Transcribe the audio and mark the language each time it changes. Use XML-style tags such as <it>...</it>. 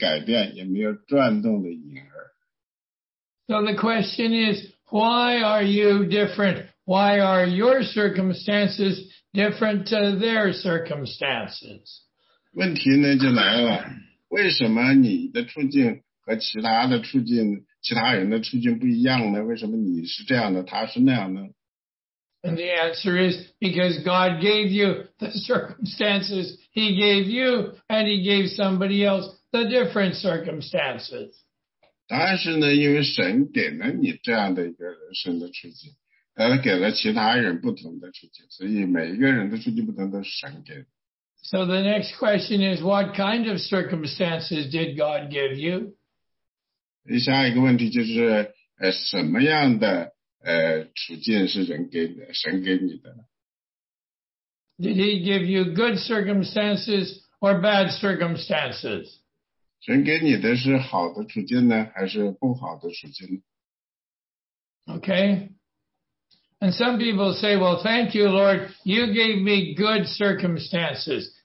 <zh>我亲爱的弟兄们，不要看错了，各样的美德的恩赐和各样全备的赏赐都是上头来的，在众光之父那里降下来的，在他并没有改变，也没有转动的影儿。</zh> <en>So the question is, why are you different? Why are your circumstances different to their circumstances?</en> <zh>问题呢就来了，为什么你的处境和其他的处境？其他人的处境不一样呢？为什么你是这样的，他是那样呢？</zh> <en>And the answer is because God gave you the circumstances He gave you, and He gave somebody else the different circumstances.</en> <zh>但是呢，因为神给了你这样的一个神的处境，他给了其他人不同的处境，所以每一个人的处境不同都是神给的。</zh> <en>So the next question is, what kind of circumstances did God give you?</en> <zh>下一个问题就是，什么样的处境是神给你的呢？</zh> <en>Did he give you good circumstances or bad circumstances?</en> <zh>神给你的是好的处境呢，还是不好的处境呢？</zh> <en>Okay. And some people say, well, thank you, Lord, you gave me good circumstances.</en>